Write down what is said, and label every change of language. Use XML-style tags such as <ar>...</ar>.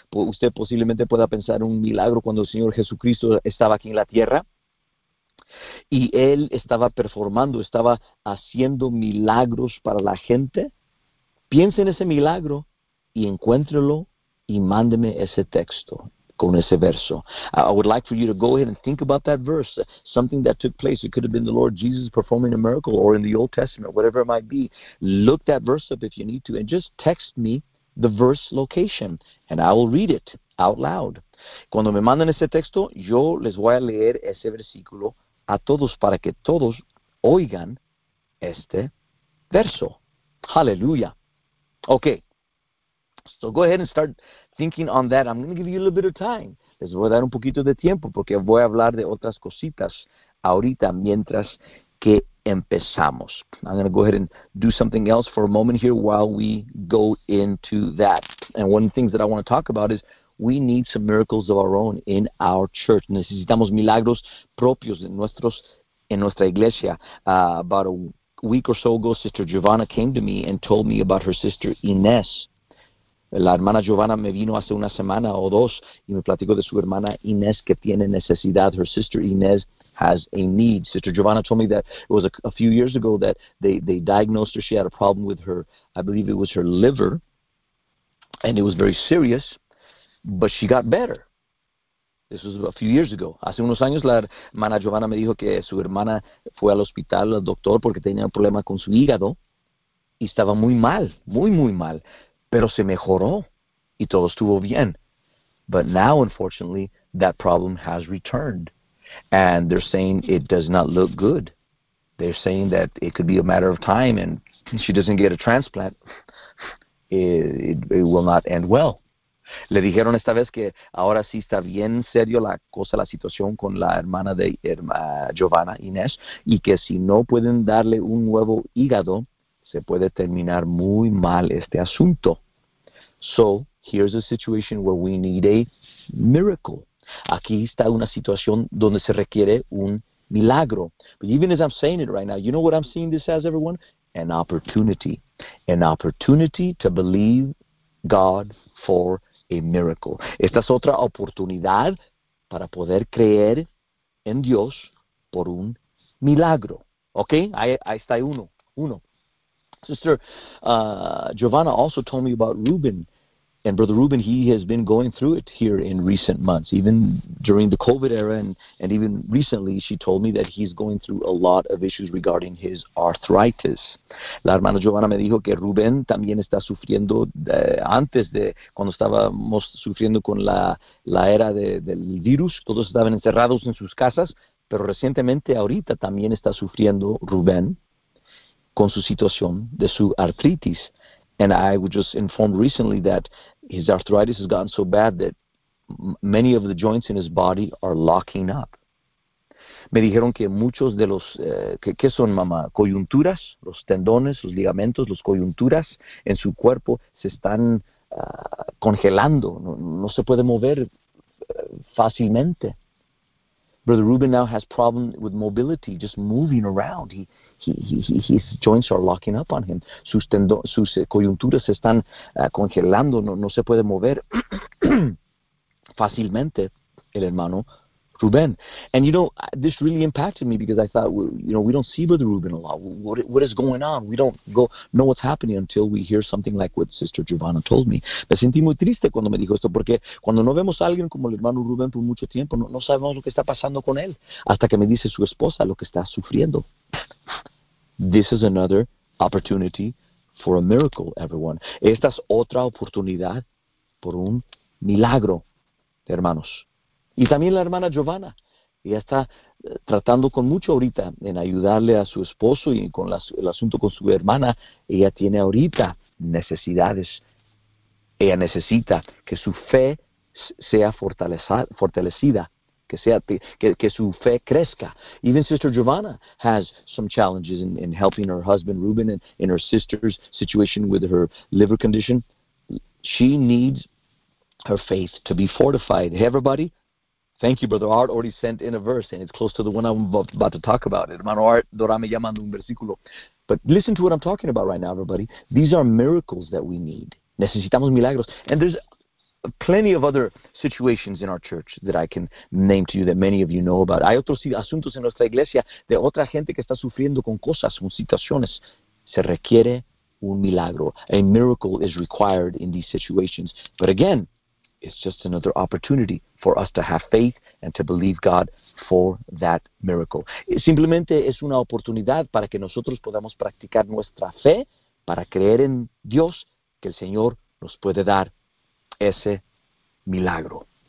<es>Usted posiblemente pueda pensar un milagro cuando el Señor Jesucristo estaba aquí en la tierra. Y Él estaba performando, estaba haciendo milagros para la gente. Piense en ese milagro y encuéntrelo y mándeme ese texto con ese verso.</es> <en>I would like for you to go ahead and think about that verse, something that took place. It could have been the Lord Jesus performing a miracle, or in the Old Testament, whatever it might be. Look that verse up if you need to, and just text me the verse location, and I will read it out loud.</en> <es>Cuando me manden ese texto, yo les voy a leer ese versículo a todos para que todos oigan este verso.</es> <en>Hallelujah. Okay, so go ahead and start thinking on that. I'm going to give you a little bit of time.</en> <es>Les voy a dar un poquito de tiempo porque voy a hablar de otras cositas ahorita mientras que empezamos.</es> <en>I'm going to go ahead and do something else for a moment here while we go into that. And one of the things that I want to talk about is we need some miracles of our own in our church.</en> <es>Necesitamos milagros propios en nuestra iglesia.</es> <en>About a week or so ago, Sister Giovanna came to me and told me about her sister Inés.</en> <es>La hermana Giovanna me vino hace una semana o dos y me platicó de su hermana Inés que tiene necesidad.</es> <en>Her sister Inés has a need. Sister Giovanna told me that it was a few years ago that they diagnosed her. She had a problem with her, I believe it was her liver, and it was very serious, but she got better. This was a few years ago.</en> <es>Hace unos años la hermana Giovanna me dijo que su hermana fue al hospital al doctor porque tenía un problema con su hígado y estaba muy mal, muy, muy mal. Pero se mejoró, y todo estuvo bien.</es> <en>But now, unfortunately, that problem has returned. And they're saying it does not look good. They're saying that it could be a matter of time, and she doesn't get a transplant, it will not end well.</en> <es>Le dijeron esta vez que ahora sí está bien serio la cosa, la situación con la hermana de Giovanna, Inés, y que si no pueden darle un nuevo hígado, se puede terminar muy mal este asunto.</es> <en>So, here's a situation where we need a miracle.</en> <es>Aquí está una situación donde se requiere un milagro.</es> <en>But even as I'm saying it right now, you know what I'm seeing this as, everyone? An opportunity. An opportunity to believe God for a miracle.</en> <es>Esta es otra oportunidad para poder creer en Dios por un milagro. ¿Ok? Ahí está uno.</es> <en>Sister Giovanna also told me about Ruben, and Brother Ruben, he has been going through it here in recent months, even during the COVID era, and even recently she told me that he's going through a lot of issues regarding his arthritis.</en> <es>La hermana Giovanna me dijo que Ruben también está sufriendo antes de cuando estábamos sufriendo con la era del virus, todos estaban encerrados en sus casas, pero recientemente ahorita también está sufriendo Ruben con su situación de su arthritis.</es> <en>And I was just informed recently that his arthritis has gotten so bad that many of the joints in his body are locking up.</en> <es>Me dijeron que muchos de los, ¿qué son, mamá? Coyunturas, los tendones, los ligamentos, las coyunturas en su cuerpo se están congelando. No se puede mover fácilmente.</es> <en>Brother Ruben now has problem with mobility, just moving around. His joints are locking up on him.</en> <es>Sus coyunturas se están congelando. No se puede mover fácilmente el hermano Ruben.</es> <en>And, you know, this really impacted me because I thought, you know, we don't see Brother Ruben a lot. What is going on? We don't know what's happening until we hear something like what Sister Giovanna told me.</en> <es>Me sentí muy triste cuando me dijo esto, porque cuando no vemos a alguien como el hermano Ruben por mucho tiempo, no sabemos lo que está pasando con él, hasta que me dice su esposa lo que está sufriendo.</es> <en>This is another opportunity for a miracle, everyone.</en> <es>Esta es otra oportunidad por un milagro, hermanos. Y también la hermana Giovanna. ella está tratando con mucho ahorita en ayudarle a su esposo y con el asunto con su hermana. Ella tiene ahorita necesidades. Ella necesita que su fe sea fortalecida, que su fe crezca.</es> <en>Even Sister Giovanna has some challenges in helping her husband Ruben and in her sister's situation with her liver condition. She needs her faith to be fortified. Hey, everybody. Thank you, Brother Art. Already sent in a verse, and it's close to the one I'm about to talk about.</en> <es>Hermano Art, dorame llamando un versículo.</es> <en>But listen to what I'm talking about right now, everybody. These are miracles that we need.</en> <es>Necesitamos milagros.</es> <en>And there's plenty of other situations in our church that I can name to you that many of you know about.</en> <es>Hay otros asuntos en nuestra iglesia de otra gente que está sufriendo con cosas, con situaciones. Se requiere un milagro.</es> <en>A miracle is required in these situations. But again, it's just another opportunity for us to have faith and to believe God for that miracle.</en> <es>Simplemente es una oportunidad para que nosotros podamos practicar nuestra fe, para creer en Dios, que el Señor nos puede dar ese milagro.</es>